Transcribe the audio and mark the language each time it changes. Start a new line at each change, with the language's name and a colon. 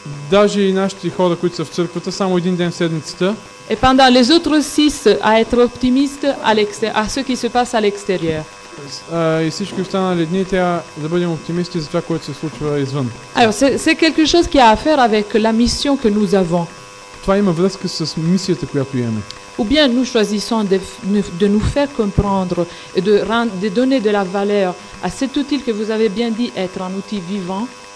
Bulgarian: Даже и нашите хора, които са в църквата, само един ден в седмицата.
French: Et pendant les autres six à être optimiste à ce qui se passe à l'extérieur.
Bulgarian: И всички останали дни трябва да бъдем оптимисти за това, което се случва извън.
French: Alors, c'est quelque chose qui a à faire avec la mission que nous avons.
Bulgarian: Това има връзка с мисията, която имаме.
French: Ou bien nous choisissons de nous faire comprendre et de donner de la valeur à cet outil que vous avez bien dit être un outil vivant.